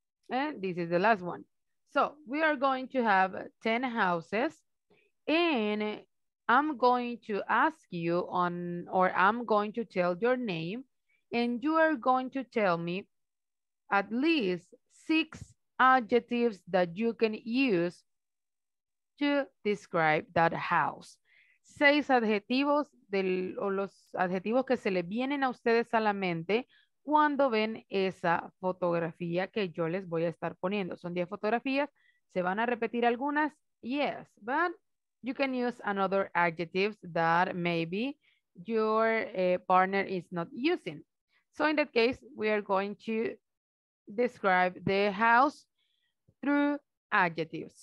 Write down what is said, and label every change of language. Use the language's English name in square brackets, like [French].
[English] And this is the last one. So we are going to have 10 houses, and I'm going to ask you on, or I'm going to tell your name, and you are going to tell me at least 6 adjectives that you can use to describe that house. [Spanish] 6 adjetivos del, o los adjetivos que se le vienen a ustedes a la mente cuando ven esa fotografía que yo les voy a estar poniendo. Son 10 fotografías, se van a repetir algunas. [English] Yes, but you can use another adjectives that maybe your partner is not using. So in that case, we are going to describe the house through adjectives.